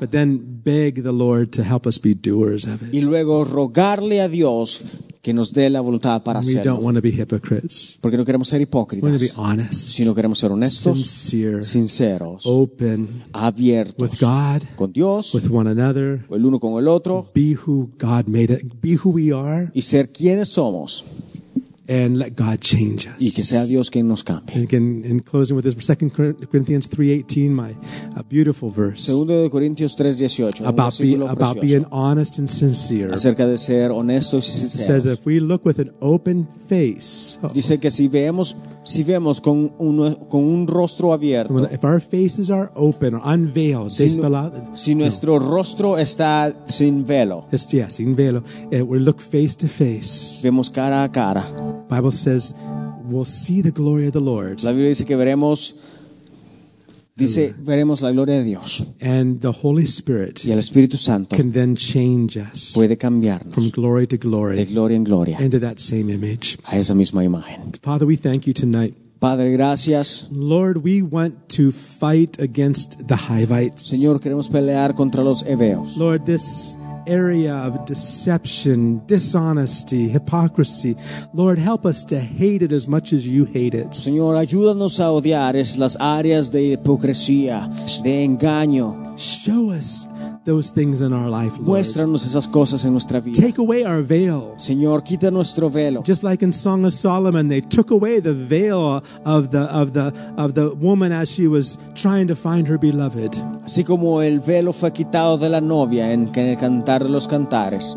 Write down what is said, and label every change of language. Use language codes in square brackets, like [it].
[en] But then beg the Lord to help us be doers of it. [es] Y luego rogarle a Dios que nos dé la voluntad para hacerlo. [en] We don't want to be hypocrites. [es] Porque no queremos ser hipócritas. [en] We want to be honest. [es] Sino queremos ser honestos. [en] Sincere. [es] Sinceros. [en] Open. [es] Abiertos. [en] With God. [es] Con Dios. [en] With one another. [es] El uno con el otro. [en] Be who God made it. Be who we are. [es] Y ser quienes somos. [en] And let God change us. [es] Y que sea Dios quien nos cambie. [en] And again, in closing with this, 2 Corinthians 3:18, a beautiful verse. 2 Corinthians 3:18, about being honest and sincere. [es] Acerca de ser honestos y sinceros. [en] It says that if we look with an open face. [es] Dice que si vemos con un rostro abierto. [en] If our faces are open or unveiled, they spell out. [es] Si nuestro rostro está sin velo. [en] Yes, [es] sin velo. [en] We look face to face. [es] Vemos cara a cara. [en] Bible says we'll see the glory of the Lord. [es] La Biblia dice que veremos la gloria de Dios. [en] And the Holy Spirit [es] y el Espíritu Santo [en] can then change us. [es] Puede cambiarnos [en] from glory to glory. [es] De gloria en gloria. [en] Into that same image. [es] A esa misma imagen. [en] Father, we thank you tonight. [es] Padre, gracias. [en] Lord, we want to fight against the Hivites. [es] Señor, queremos pelear contra los heveos. [en] Lord, this area of deception, dishonesty, hypocrisy. Lord, help us to hate it as much as you hate it. [es] Señor, ayúdanos a odiar las áreas de hipocresía, de engaño. [en] Show us those things in our life, Lord. [es] Muéstranos esas cosas en nuestra vida. [en] Take away our veil. [es] Señor, quita nuestro velo. [en] Just like in Song of Solomon, they took away the veil of the woman as she was trying to find her beloved. [es] Así como el velo fue quitado de la novia en el cantar de los cantares.